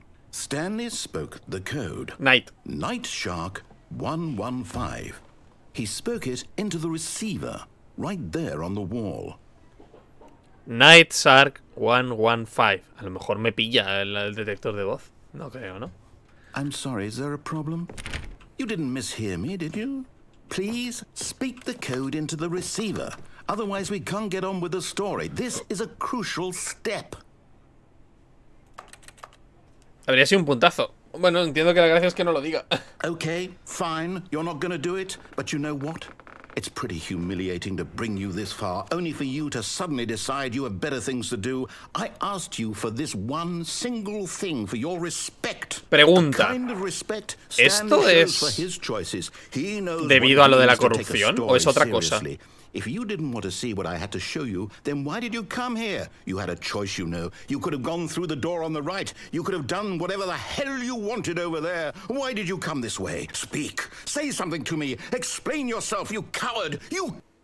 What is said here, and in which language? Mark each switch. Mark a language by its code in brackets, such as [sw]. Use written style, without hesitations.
[en] Stanley spoke the code. Night. Night Shark 115. He spoke it into the receiver, right there on the wall. Night Shark 115. [es] A lo mejor me pilla el detector de voz. No creo, ¿no? [en] I'm sorry, is there a problem? You didn't mishear me, did you? Please speak the code into the receiver. Otherwise, we can't get on with the story. This is a crucial step. [es] Habría sido un puntazo. Bueno, entiendo que la gracia es que no lo diga. [en] Okay, fine. You're not gonna do it. But you know what? It's pretty humiliating to bring you this far, only for you to suddenly decide you have better things to do. I asked you for this one single thing, for your respect. [es] Pregunta. [en] Kind of respect. [es] ¿Esto es [en] for his choices. He knows [es] debido a lo de la corrupción o es otra cosa? [en] If you didn't want to see what I had to show you, then why did you come here? You had a choice, you know. You could have gone through the door on the right. You could have done whatever the hell you wanted over there. Why did you come this way? Speak. Say something to me. Explain yourself, you coward. You...